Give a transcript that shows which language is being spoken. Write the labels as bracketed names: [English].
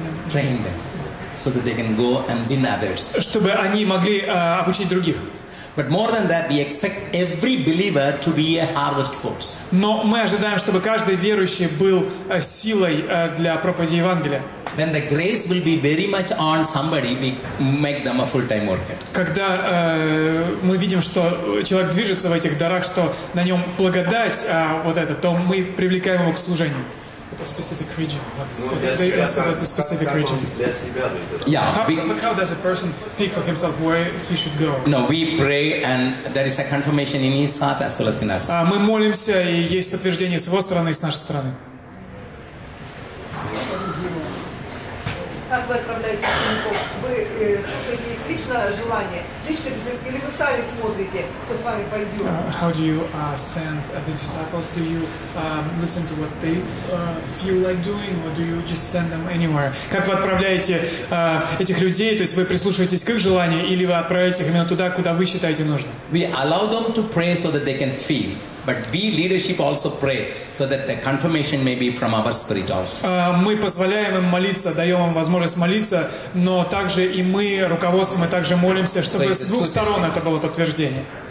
[English] train them. So that they can go and win others. [Russian] Чтобы они могли обучить других. [English] But more than that, we expect every believer to be a harvest force. [Russian] Но мы ожидаем, чтобы каждый верующий был силой для проповеди Евангелия. [English] When the grace will be very much on somebody, we make them a full-time worker. [Russian] Когда мы видим, что человек движется в этих дарах, что на нем благодать, вот это, то мы привлекаем его к служению. [English] Это specific region. How does a person pick for himself where he should go? No, we pray and there is a confirmation in his heart as well as in us. [Russian] Мы молимся и есть подтверждение с его стороны и с нашей стороны. Как вы отправляете учеников? Вы слушаете их личное желание? Лично или вы сами смотрите, кто с вами пойдет? [English] How do you send the disciples? Do you listen to what they feel like doing? Or do you just send them anywhere? [Russian] Как вы отправляете этих людей? То есть вы прислушиваетесь к их желанию или вы отправляете их именно туда, куда вы считаете нужным? [English] We allow them to pray so that they can feel. But we leadership also pray so that the confirmation may be from our spirit also. [Russian] Мы позволяем им молиться, даем им возможность молиться, но также и мы руководством, мы также молимся, чтобы с двух сторон это было подтверждение.